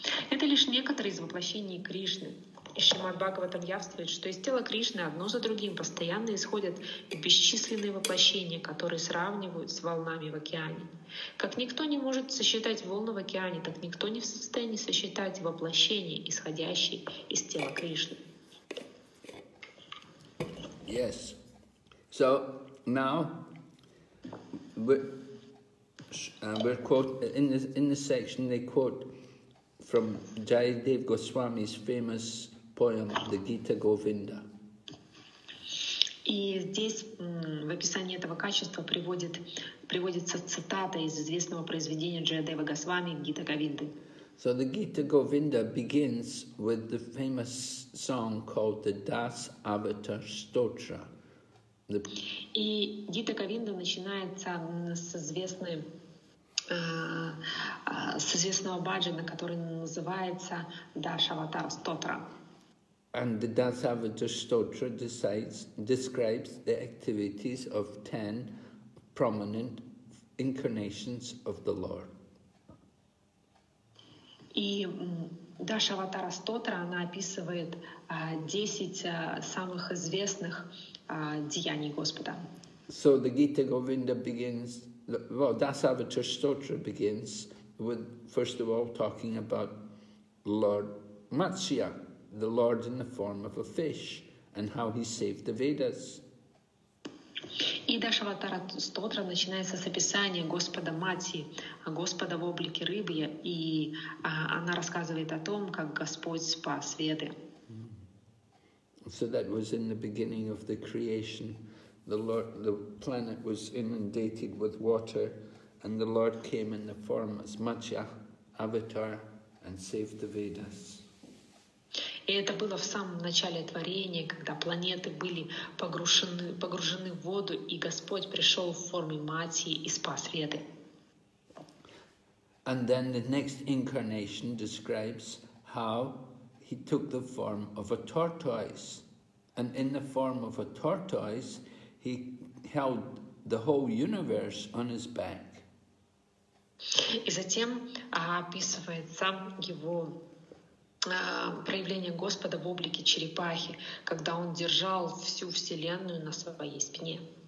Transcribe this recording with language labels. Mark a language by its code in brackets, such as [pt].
[ru] Это лишь некоторые из воплощений Кришны. И Шримад Бхагаватам явствует, что из тела Кришны одно за другим постоянно исходят бесчисленные воплощения, которые сравнивают с волнами в океане. Как никто не может сосчитать волны в океане, так никто не в состоянии сосчитать воплощения, исходящие из тела Кришны. [en] Yes. So now we're quote in the section they quote from Jayadev Goswami's famous poem, the Gita Govinda. [ru] И здесь в описании этого качества приводится цитата из известного произведения Джаядева Госвами Гита Говинды. [en] So the Gita Govinda begins with the famous song called the Das Avatar Stotra. [ru] И Гита Говинда начинается с известного баджана, который называется Das Avatar Stotra. [en] And the Das Avatar Stotra describes the activities of 10 prominent incarnations of the Lord. [ru] И Даша Аватара Стотра, она описывает 10 самых известных деяний Господа. [en] So the Gita Govinda begins, well, Das Avatar Stotra begins with, first of all, talking about Lord Matsya, the Lord in the form of a fish, and how he saved the Vedas. [ru] И Даша Аватара Стотра начинается с описания Господа Матси, Господа в облике рыбы, и она рассказывает о том, как Господь спас Веды. [en] So that was in the beginning of the creation. The Lord, the planet was inundated with water, and the Lord came in the form of Matsya avatar and saved the Vedas. [ru] И это было в самом начале творения, когда планеты были погружены в воду, и Господь пришел в форме Матьи и спас Веды. [en] And then the next incarnation describes how he took the form of a tortoise. And in the form of a tortoise, he held the whole universe on his back. [ru] И затем описывается его проявление Господа в облике черепахи, когда он держал всю Вселенную на своей спине.